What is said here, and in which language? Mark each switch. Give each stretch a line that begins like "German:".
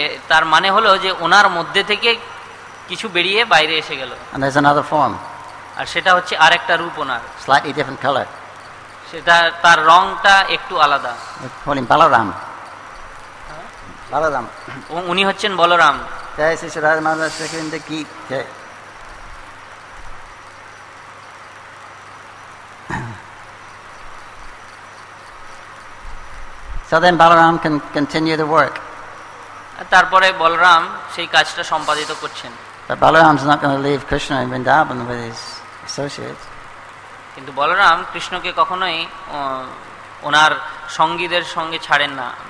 Bangla: তার মানে হলো যে ওনার মধ্যে থেকে কিছু বেরিয়ে বাইরে এসে গেল
English: And there's another form
Bangla: আর সেটা হচ্ছে আরেকটা রূপ ওনার
English: Slightly different color
Bangla: সেটা তার রংটা একটু আলাদা বলিম বলরাম বলরাম উনি হচ্ছেন বলরাম জয় শ্রী সদা মাধব শ্রীকৃষ্ণের কি জয়
English: So then Balaram can continue the work.
Bangla: তারপরে বলরাম সেই কাজটা সম্পাদিত করছেন.
English: But Balaram is not going to leave Krishna in Vrindavan with his associates.
Bangla: কিন্তু বলরাম কৃষ্ণকে কখনোই ওনার সঙ্গীদের সঙ্গে ছাড়েন না.